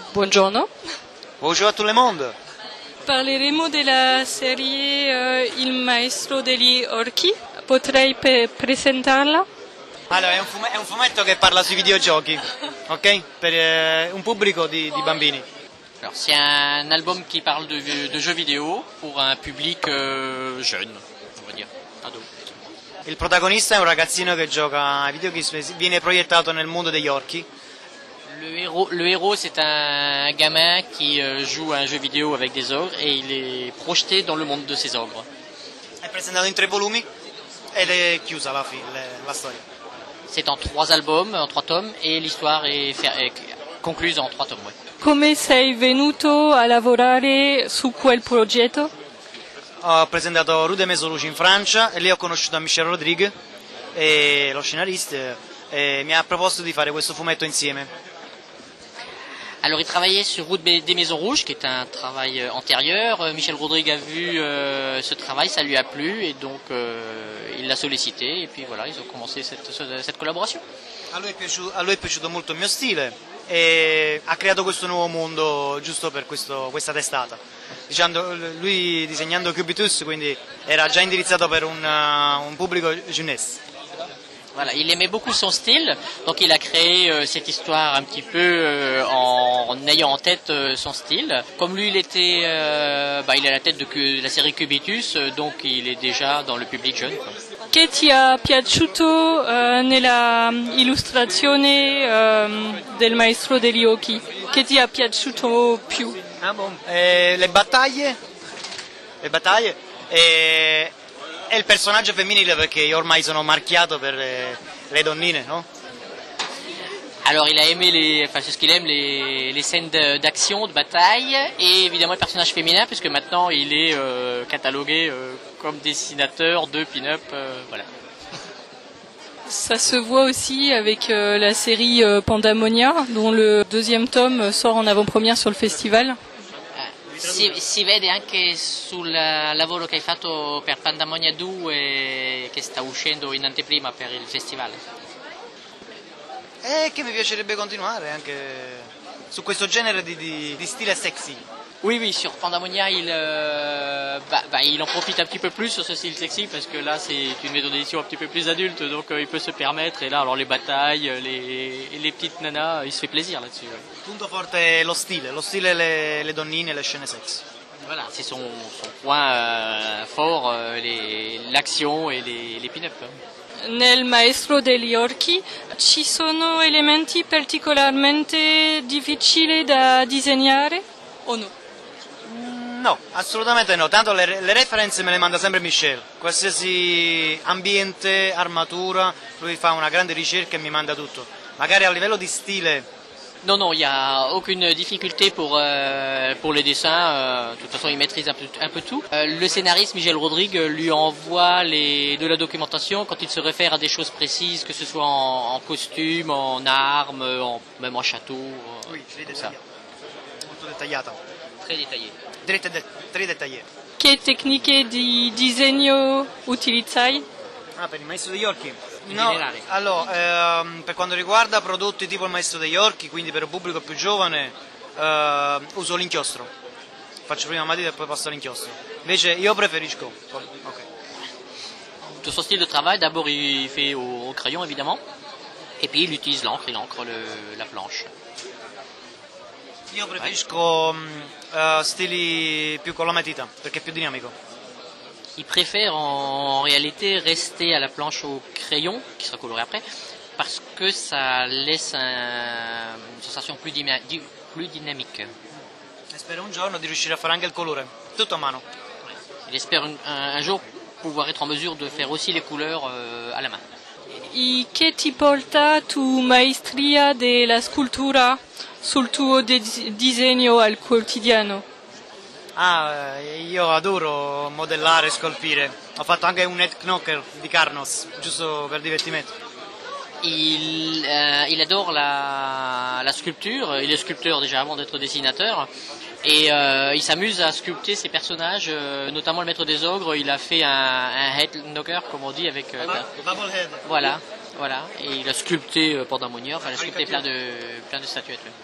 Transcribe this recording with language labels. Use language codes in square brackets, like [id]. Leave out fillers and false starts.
[it] Buongiorno. [fr] Bonjour à tout le monde. [it] Parleremo della serie Il Maestro degli Orchi. Potrei presentarla? Allora, è un fumetto che parla sui videogiochi, ok? Per un pubblico di bambini. [fr] Alors, c'est un album qui parle de jeux vidéo pour un public jeune, on va dire, ado. [it] Il protagonista è un ragazzino che gioca ai videogiochi, viene proiettato nel mondo degli orchi. [fr] Le héros, c'est un gamin qui joue à un jeu vidéo avec des ogres et il est projeté dans le monde de ces ogres. [it] È presentato in tre volumi ed è chiusa alla fine, la storia. [fr] C'est en trois albums, en trois tomes, et l'histoire est concluse en trois tomes, oui. [it] Come sei venuto a lavorare su quel progetto? Ho presentato Rue des Mésologies in Francia e lì ho conosciuto Michel Rodrigue, e lo scenarista, e mi ha proposto di fare questo fumetto insieme. [fr] Alors, il travaillait sur Route des Maisons Rouges, qui est un travail antérieur. Michel Rodrigue a vu ce travail, ça lui a plu, et donc il l'a sollicité, et puis voilà, ils ont commencé cette collaboration. [it] A lui è piaciuto molto il mio stile, e ha creato questo nuovo mondo giusto per questa testata. Diciamo, lui disegnando Cubitus, quindi era già indirizzato per un pubblico jeunesse. [fr] Voilà, il aimait beaucoup son style, donc il a créé cette histoire un petit peu en ayant en tête son style. Comme lui, il était, il est à la tête de la série Cubitus, donc il est déjà dans le public jeune. [it] Che ti è piaciuto nella illustrazione del Maestro degli Occhi? Che ti è piaciuto più? Le battaglie. È il personaggio femminile, perché io ormai sono marchiato per le donnine, no? [fr] Alors il a aimé les scènes d'action, de bataille, et évidemment le personnage féminin, puisque maintenant il est catalogué comme dessinateur de pin-up, voilà. Ça se voit aussi avec la série Pandamonia, dont le deuxième tome sort en avant-première sur le festival. [it] Si vede anche sul lavoro che hai fatto per Pandamonia 2, che sta uscendo in anteprima per il festival. E che mi piacerebbe continuare anche su questo genere di stile sexy. [fr] Oui, sur Pandamonia il en profite un petit peu plus sur ce style sexy, parce que là c'est une maison d'édition un petit peu plus adulte, donc il peut se permettre, et là alors les batailles, les petites nanas, il se fait plaisir là-dessus. Ouais. [it] Punto forte è lo stile le donnine, le scene sexy. [fr] Voilà, c'est son point fort, l'action et les pin-up. [it] Nel Maestro degli Orchi ci sono elementi particolarmente difficili da disegnare? O no? No, assolutamente no. Tanto le reference me le manda sempre Michel. Qualsiasi ambiente, armatura, lui fa una grande ricerca e mi manda tutto. Magari a livello di stile. [fr] No, il n'y a aucune difficulté pour les dessins. De toute façon, il maîtrise un peu tout. Le scénariste Michel Rodrigue lui envoie de la documentation quand il se réfère à des choses précises, que ce soit en costume, en armes, même en château. Oui, c'est ça. [it] Dettagliata. [fr] Très détaillé. Très détaillé. [it] Che tecniche di disegno utilizzai? Ah, per il Maestro degli Orchi? No, generale. Allora, per quanto riguarda prodotti tipo il Maestro degli Orchi, quindi per un pubblico più giovane, uso l'inchiostro. Faccio prima la matita e poi passo all'inchiostro. Invece io preferisco. Tutto suo stile di lavoro, [fr] d'abord il fa au crayon, évidemment, [it] e poi [fr] il utilizza l'encre, la planche. [it] Io preferisco stili più con la matita, perché è più dinamico. [fr] Il préfère en réalité rester à la planche au crayon, qui sera coloré après, parce que ça laisse une sensation plus dynamique. [it] E spero un giorno di riuscire a fare anche il colore, tutto a mano. [fr] Il espère un jour pouvoir être en mesure de faire aussi les couleurs à la main. [it] E che ti porta tu maestria della scultura sul tuo disegno al quotidiano? Ah, io adoro modellare e scolpire. Ho fatto anche un head knocker di Carnos, giusto per divertimento. [fr] Il adore la scultura, il è sculpteur déjà avant d'être dessinateur. Et il s'amuse à sculpter ses personnages, notamment le maître des ogres. Il a fait un head knocker, comme on dit, avec [en] Bubble head. [fr] Voilà. Voilà, et il a sculpté pendant mon heure, il a sculpté plein de statuettes.